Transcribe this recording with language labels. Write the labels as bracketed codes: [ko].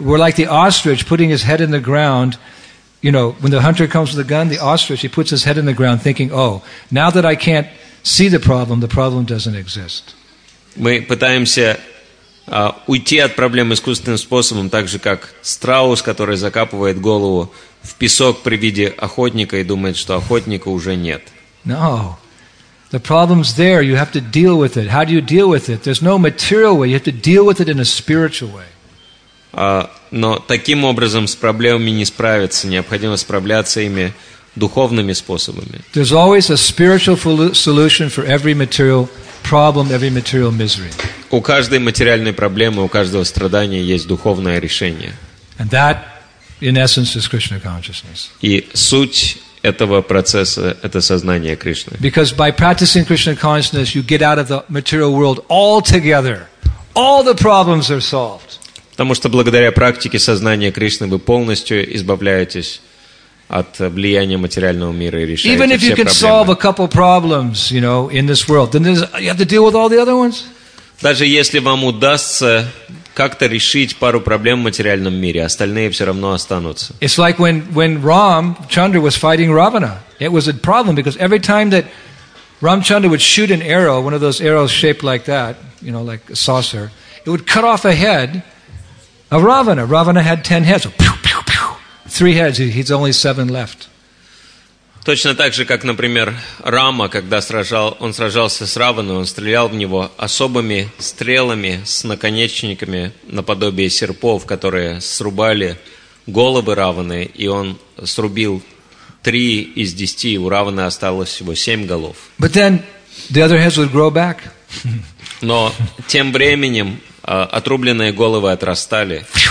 [en] We're like the ostrich putting his head in the ground. You know, when the hunter comes with a gun, the ostrich, he puts his head in the ground thinking, oh, now that I can't see the problem doesn't exist. [ru] Мы пытаемся уйти от проблем искусственным способом, так же, как страус, который закапывает голову в песок при виде охотника и думает, что охотника уже нет. [en] No. The problem's there. You have to deal with it. How do you deal with it? There's no material way. You have to deal with it in a spiritual way. [ru] Но таким образом с проблемами не справиться. Необходимо справляться ими духовными способами. [en] There's always a spiritual solution for every material problem, every material misery. [ru] У каждой материальной проблемы, у каждого страдания есть духовное решение. [en] And that, in essence, is Krishna consciousness. [ru] И суть этого процесса – это сознание Кришны. [en] Because by practicing Krishna consciousness, you get out of the material world altogether. All the problems are solved. [ru] Потому что благодаря практике сознания Кришны вы полностью избавляетесь от влияния материального мира и решаете все проблемы. [en] Even if you can solve a couple problems, you know, in this world, then you have to deal with all the other ones. [ru] Даже если вам удастся как-то решить пару проблем в материальном мире, остальные все равно останутся. [en] It's like when Ramchandra was fighting Ravana. It was a problem because every time that Ramchandra would shoot an arrow, one of those arrows shaped like that, you know, like a saucer, it would cut off a head of Ravana. Ravana had 10 heads. So, pew, pew, pew. 3 heads. He's only 7 left. [ru] Точно так же, как, например, Рама, когда сражался с Раваной, он стрелял в него особыми стрелами с наконечниками наподобие серпов, которые срубали головы Раваны, и он срубил 3 из 10, у Раваны осталось всего 7 голов. [en] But then the other heads would grow back. [ru] Но тем временем отрубленные головы отрастали.